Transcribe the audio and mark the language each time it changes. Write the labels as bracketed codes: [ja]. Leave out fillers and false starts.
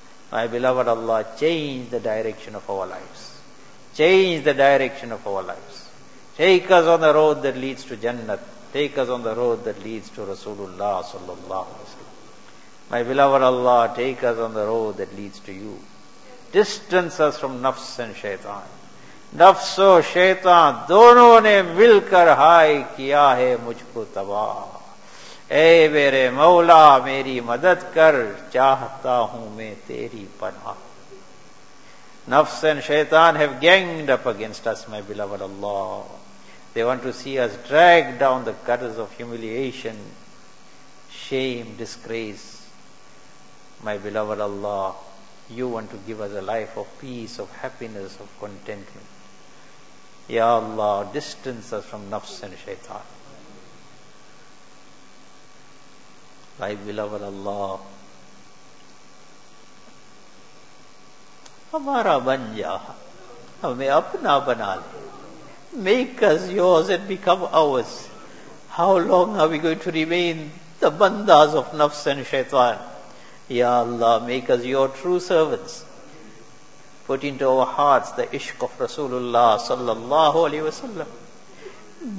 [en] My beloved Allah, change the direction of our lives. Change the direction of our lives. Take us on the road that leads to Jannat. Take us on the road that leads to Rasulullah [ar] sallallahu alaihi wasallam. [en] My beloved Allah, take us on the road that leads to you. Distance us from nafs and shaitan. [ur] نفس و شیطان دونوں نے مل کر ہائے کیا ہے مجھ کو تباہ. اے میرے مولا میری مدد کر, چاہتا ہوں میں تیری پناہ. [en] Nafs and shaitan have ganged up against us, my beloved Allah. They want to see us dragged down the gutters of humiliation, shame, disgrace. My beloved Allah, you want to give us a life of peace, of happiness, of contentment. Ya Allah, distance us from nafs and shaitan. My beloved Allah, [ur] ہمارا بن جا, ہمیں اپنا بنا لے. [en] Make us yours and become ours. How long are we going to remain the bandas of nafs and shaitan? Ya Allah, make us your true servants. Put into our hearts the ishq of Rasulullah [ar] sallallahu alayhi wa sallam.